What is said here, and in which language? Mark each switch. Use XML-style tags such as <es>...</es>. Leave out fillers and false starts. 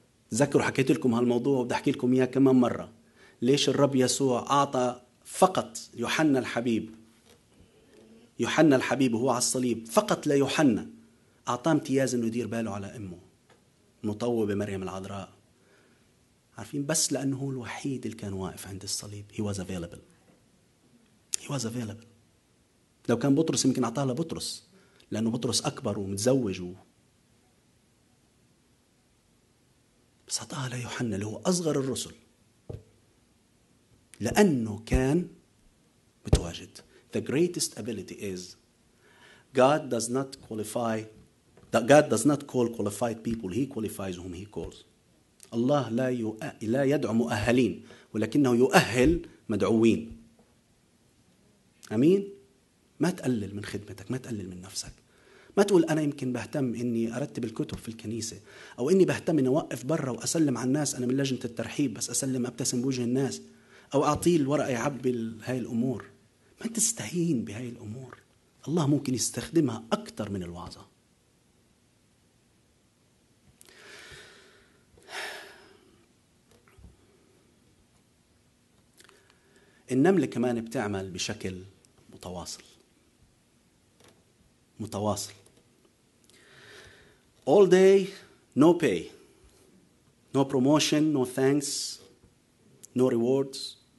<ar>تذكروا حكيت لكم هالموضوع وبدي أحكي لكم إياه كمان مرة، ليش الرب يسوع أعطى فقط يوحنا الحبيب، يوحنا الحبيب وهو على الصليب، فقط ليوحنا أعطاه امتياز إنه يدير باله على أمه المطوبة مريم العذراء. عارفين؟ بس لأنه هو الوحيد اللي كان واقف عند الصليب.</ar> <en>He was available. He was available.</en> <ar>لو كان بطرس يمكن أعطاه لبطرس، لأنه بطرس أكبر ومتزوج بس أعطاه ليوحنا اللي هو أصغر الرسل، لأنه كان متواجد.</ar> <en>The greatest ability is God does not qualify, that God does not call qualified people. He qualifies whom he calls.</en> <ar>الله لا يدعو مؤهلين ولكنه يؤهل مدعوين. أمين؟ ما تقلل من خدمتك، ما تقلل من نفسك، ما تقول أنا يمكن بهتم أني أرتب الكتب في الكنيسة، أو أني بهتم أني أوقف برا وأسلم على الناس، أنا من لجنة الترحيب بس أسلم أبتسم بوجه الناس، أو أعطيه الورقة يعبي هاي الأمور. ما تستهين بهاي الأمور، الله ممكن يستخدمها أكثر من الوعظة. النمل كمان بتعمل بشكل متواصل، متواصل.</ar> <en>All day no pay, no promotion, no thanks, no rewards.</en>